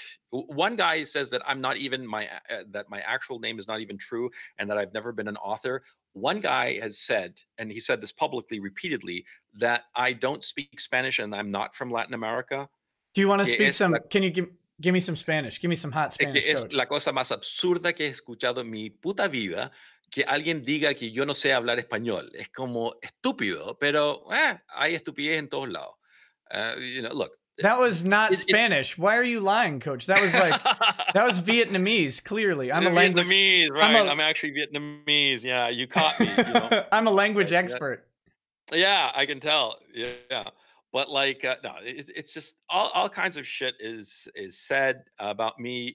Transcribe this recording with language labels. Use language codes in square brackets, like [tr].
[en] One guy says that I'm not even that my actual name is not even true and that I've never been an author. One guy has said, and he said this publicly repeatedly, that I don't speak Spanish and I'm not from Latin America. Do you want to speak some? Can you give me some Spanish? Give me some hot Spanish. [es] Que es la cosa más absurda que he escuchado en mi puta vida. Que alguien diga que yo no sé hablar español. Es como estúpido, pero hay estupidez en todos lados. [en] You know, look. That was not Spanish. Why are you lying, Coach? That was like, that was Vietnamese, clearly. I'm a Vietnamese, right? I'm actually Vietnamese. Yeah, you caught me. You know? I'm a language expert. Yeah, I can tell. Yeah. But like, no, it's just all kinds of shit is said about me.